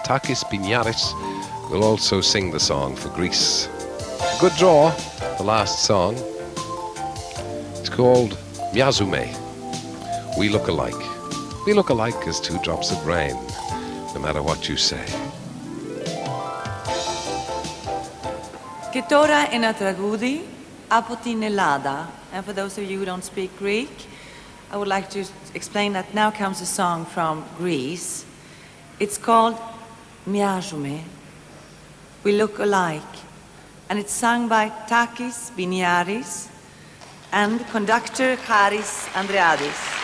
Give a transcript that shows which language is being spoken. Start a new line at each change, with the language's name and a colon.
English: Takis Binaris will also sing the song for Greece. Good draw, the last song. Called Miyazume. we look alike. We look alike as two drops of rain, no matter what you say.
Greek: Che τώρα ένα τραγούδι από την Ελλάδα.
English: And for those of you who don't speak Greek, I would like to explain that now comes a song from Greece. It's called Miajume. We look alike. And it's sung by Takis Biniaris and conductor Charis Andriadis.